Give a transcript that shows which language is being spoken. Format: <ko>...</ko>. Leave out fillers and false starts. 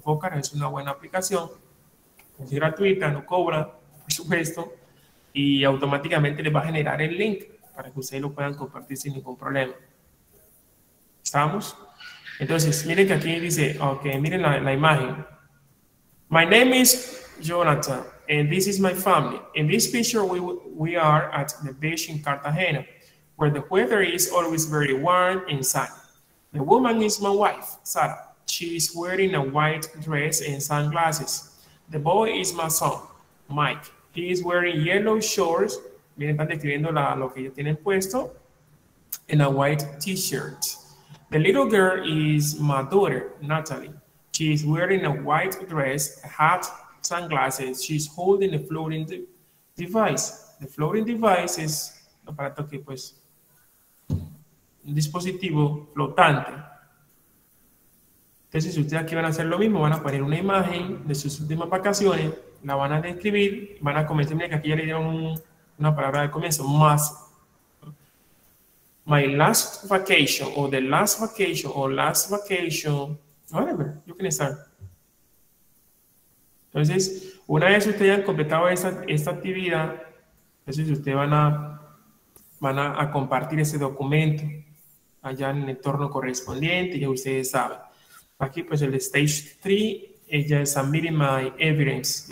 <es>Vocaro es una buena aplicación. Es gratuita, no cobra, por supuesto. Y automáticamente les va a generar el link para que ustedes lo puedan compartir sin ningún problema. ¿Estamos? Entonces, miren que aquí dice, ok, miren la imagen.</es> <en>My name is Jonathan, and this is my family. In this picture, we are at the beach in Cartagena, where the weather is always very warm and sunny. The woman is my wife, Sara. She is wearing a white dress and sunglasses. The boy is my son, Mike. He is wearing yellow shorts.</en> <es>Miren, están describiendo lo que ellos tienen puesto.</es> <en>And a white t-shirt. The little girl is my daughter, Natalie. She is wearing a white dress, a hat, sunglasses. She's holding a floating device. The floating device is</en> <es>aparato que pues un dispositivo flotante. Entonces, si ustedes aquí van a hacer lo mismo, van a poner una imagen de sus últimas vacaciones, la van a describir, van a comenzar. Mira que aquí ya le dieron una palabra de comienzo. Más.</es> <en>My last vacation, o the last vacation, o last vacation, whatever, you can start.</en> <es>Entonces, una vez ustedes hayan completado esta actividad, entonces ustedes van a compartir ese documento allá en el entorno correspondiente, ya ustedes saben. Aquí, pues, el stage 3, ella es</es> <en>submitting my evidence.</en>